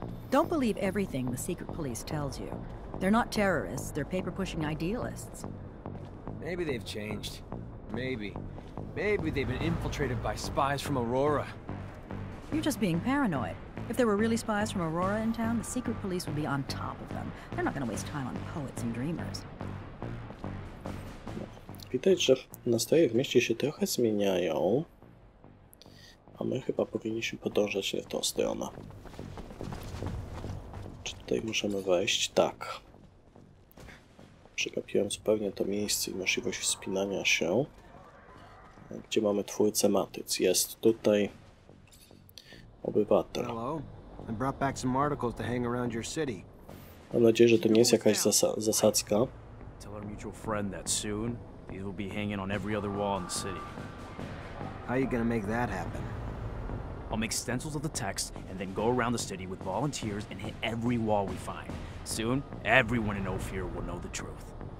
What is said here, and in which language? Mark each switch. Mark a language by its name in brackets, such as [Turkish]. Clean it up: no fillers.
[English] Don't believe everything the secret police tells you. They're not terrorists, they're paper-pushing idealists. Maybe they've changed. Maybe. Maybe they've been infiltrated by spies from Aurora. You're just being paranoid. If there were really spies from Aurora in town, the secret police would be on top of them. They're not going to waste time on poets and dreamers. [Polish] Widać, że nastroje w mieście się trochę zmieniają. A my chyba powinniśmy podążać nie w tą stronę. Czy tutaj możemy wejść? Tak. Przegapiłem zupełnie to miejsce i możliwość wspinania się. Gdzie mamy twórcę matyc? Jest tutaj obywatel. [English] Hello. I brought back some articles to hang around your city. [Polish] Mam nadzieję, że to nie jest jakaś zasadzka. [English] Tell our mutual friend that soon he will be hanging on every other wall in the city. How are you gonna make that happen? I'll make stencils of the text and then go around the city with volunteers and hit every wall we find. Soon, everyone in Ophir will know the truth.